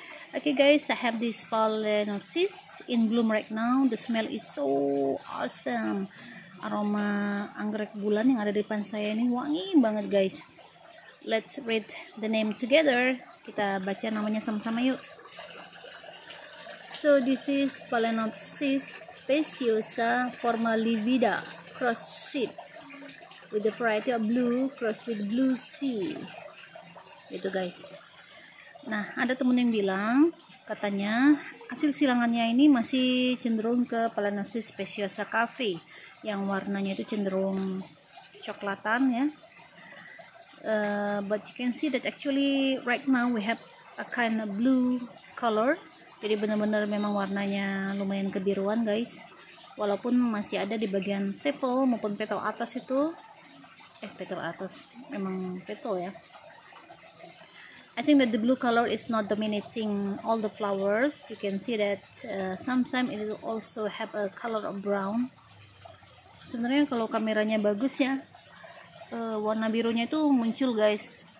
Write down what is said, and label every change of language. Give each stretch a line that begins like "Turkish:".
English: Okay guys, I have this phalaenopsis in bloom right now. The smell is so awesome.
Indonesian: Aroma anggrek bulan yang ada di depan saya ini wangi banget guys.
English: Let's read the name together.
Indonesian: Kita baca namanya sama-sama yuk.
English: So this is Phalaenopsis speciosa formalivida cross seed with the variety of blue cross with blue sea.
Indonesian: Itu guys. Nah, ada temen yang bilang katanya hasil silangannya ini masih cenderung ke Phalaenopsis speciosa cafe yang warnanya itu cenderung coklatan ya.
English: But you can see that actually right now we have a kind of blue color.
Indonesian: Jadi benar-benar memang warnanya lumayan kebiruan guys. Walaupun masih ada di bagian sepal maupun petal atas itu. Petal atas memang petal ya.
English: I think that the blue color is not dominating all the flowers. You can see that sometimes it will also have a color of brown.
Indonesian: Sebenarnya kalau kameranya bagus ya, warna birunya itu muncul guys.